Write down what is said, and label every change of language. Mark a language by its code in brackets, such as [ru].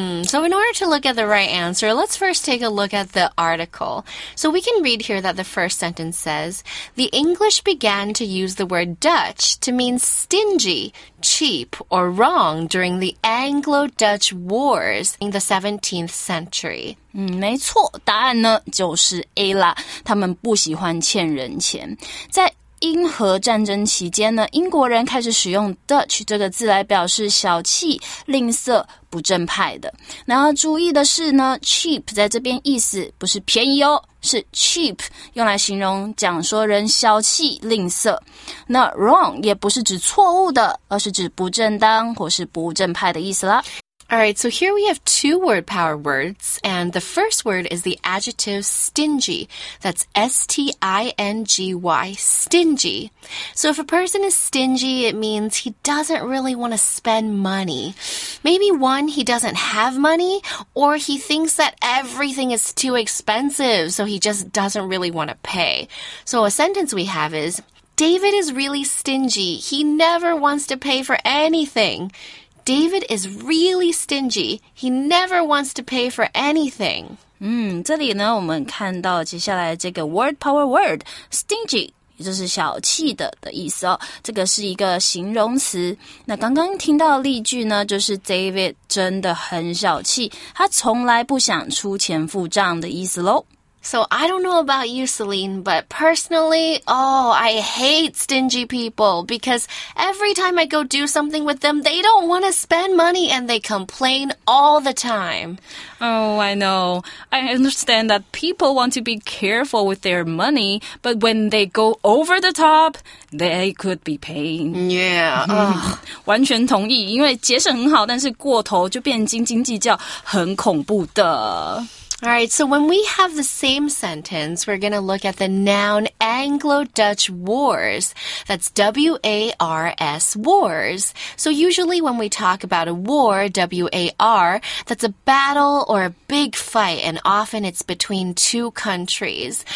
[en] So in order to look at the right answer, let's first take a look at the article. So we can read here that the first sentence says, the English began to use the word Dutch to mean stingy, cheap, or wrong during the Anglo-Dutch Wars in the 17th century. [zh] 没错，答案呢就是 A 啦，他们不喜欢欠人钱。在英荷战争期间呢，英国人开始使用 Dutch 这个字来表示小气、吝啬、不正派的。那要注意的是呢， cheap 在这边意思不是便宜哦，是 cheap 用来形容讲说人小气、吝啬。那 wrong 也不是指错误的，而是指不正当或是不正派的意思啦。 [en] Alright, so here we have two word power words, and the first word is the adjective stingy. That's S-T-I-N-G-Y, stingy. So if a person is stingy, it means he doesn't really want to spend money. Maybe one, he doesn't have money, or he thinks that everything is too expensive, so he just doesn't really want to pay. So a sentence we have is, David is really stingy. He never wants to pay for anything. David is really stingy. He never wants to pay for anything. [zh] 这里呢我们看到接下来这个 [en] word power word, stingy. [zh] 也就是小气的的意思哦，这个是一个形容词。那刚刚听到的例句呢，就是 David 真的很小气，他从来不想出钱付账的意思咯。 [en] So I don't know about you, Celine, but personally, oh, I hate stingy people because every time I go do something with them, they don't want to spend money and they complain all the time. Oh, I know. I understand that people want to be careful with their money, but when they go over the top, they could be pain. Yeah. [zh] 完全同意，因为节省很好，但是过头就变斤斤计较，很恐怖的。 [en] Alright, so when we have the same sentence, we're going to look at the noun Anglo-Dutch Wars. That's W-A-R-S, wars. So usually when we talk about a war, W-A-R, that's a battle or a big fight, and often it's between two countries.